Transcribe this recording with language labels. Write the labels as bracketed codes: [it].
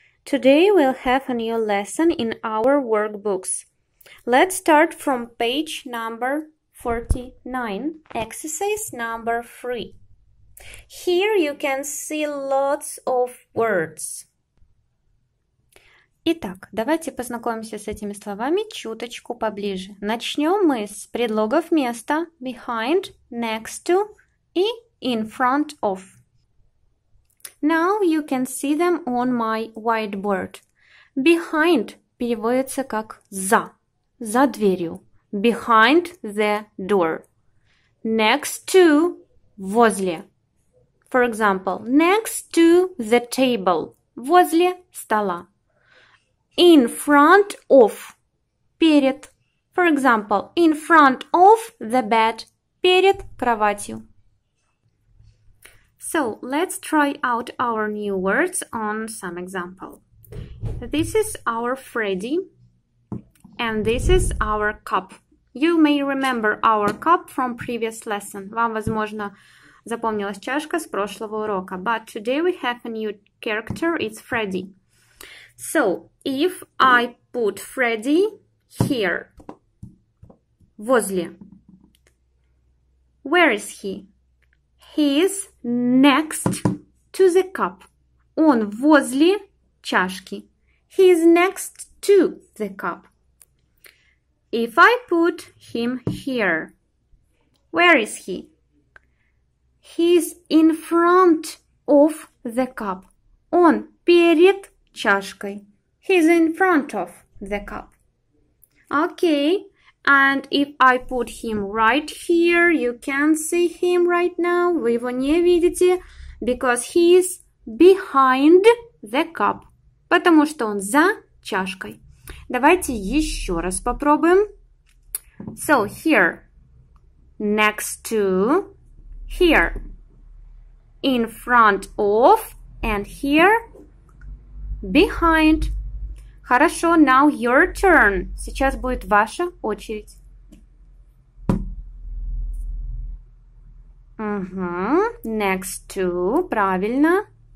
[en] Today we'll have a new lesson in our workbooks. Let's start from page number 49, exercise number 3. Here you can see lots of words. [ru] Итак, давайте познакомимся с этими словами чуточку поближе. Начнем мы с предлогов места behind, next to и in front of. [en] Now you can see them on my whiteboard. Behind [ru] переводится как за, за дверью. [en] Behind the door. Next to [ru] – возле. [en] For example, next to the table [ru] – возле стола. [en] In front of [ru] – перед. [en] For example, in front of the bed [ru] – перед кроватью. [en] So, let's try out our new words on some example. This is our Freddy, and this is our cup. You may remember our cup from previous lesson. [ru] Вам, возможно, запомнилась чашка с прошлого урока. [en] But today we have a new character, it's Freddy. So, if I put Freddy here, [ru] возле, [en] where is he? He is next to the cup. [ru] Он возле чашки. [en] He is next to the cup. If I put him here, where is he? He is in front of the cup. [ru] Он перед чашкой. [en] He is in front of the cup. Okay. And if I put him right here, you can see him right now. [ru] Вы его не видите, [en] because he is behind the cup. [ru] Потому что он за чашкой. Давайте еще раз попробуем. [en] So, here. Next to. Here. In front of. And here. Behind. Хорошо, now your turn. [ru] Сейчас будет ваша очередь. Угу. [en] Next to, правильно.